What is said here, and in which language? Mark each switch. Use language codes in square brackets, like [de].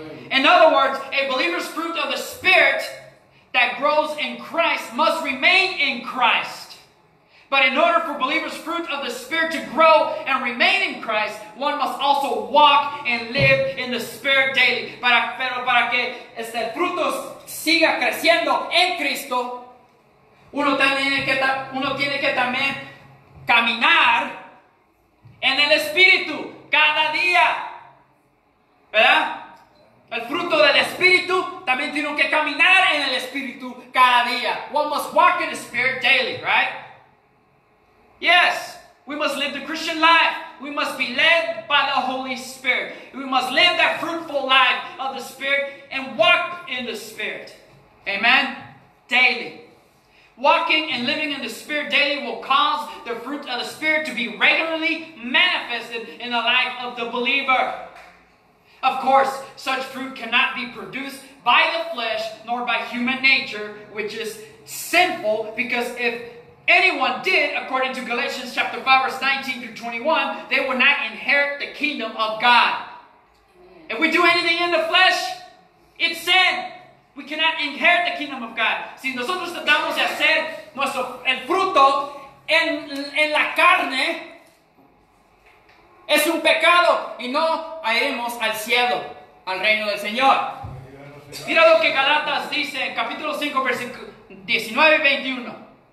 [en] In other words, a believer's fruit of the Spirit that grows in Christ must remain in Christ. But in order for believer's fruit of the Spirit to grow and remain in Christ, one must also walk and live in the Spirit daily. [es] Para que este fruto siga creciendo en Cristo, uno tiene que también caminar en el Espíritu, cada día. ¿Verdad? El fruto del Espíritu, también tiene que caminar en el Espíritu cada día. [en] One must walk in the Spirit daily, right? Yes, we must live the Christian life. We must be led by the Holy Spirit. We must live that fruitful life of the Spirit and walk in the Spirit. Amen? Daily. Walking and living in the Spirit daily will cause the fruit of the Spirit to be regularly manifested in the life of the believer. Of course, such fruit cannot be produced by the flesh nor by human nature, which is sinful, because if anyone did, according to Galatians chapter 5, verse 19 through 21, they would not inherit the kingdom of God. If we do anything in the flesh, it's sin. We cannot inherit the kingdom of God. [es] Si nosotros tratamos de hacer nuestro, el fruto en la carne, es un pecado y no iremos al cielo, al reino del Señor. Mira lo que Galatas dice en capítulo 5, versículo 19 y 21.